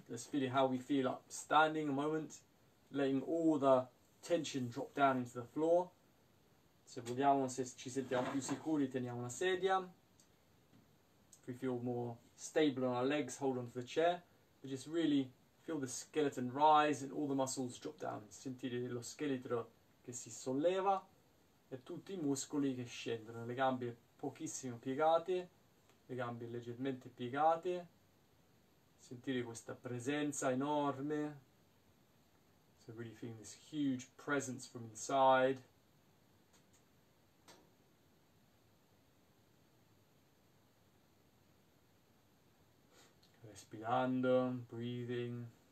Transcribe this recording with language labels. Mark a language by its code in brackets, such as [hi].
[en] Let's feel how we feel up standing a moment, letting all the tension drop down into the floor. [it] Se vogliamo, se ci sentiamo più sicuri, teniamo una sedia. Ok, [en] we feel more stable on our legs, hold onto the chair. We just really feel the skeleton rise and all the muscles drop down. [it] Sentire lo scheletro che si solleva e tutti i muscoli che scendono. Le gambe pochissimo piegate, le gambe leggermente piegate. Sentire questa presenza enorme. [en] So really feeling this huge presence from inside. [it] Respirando, breathing.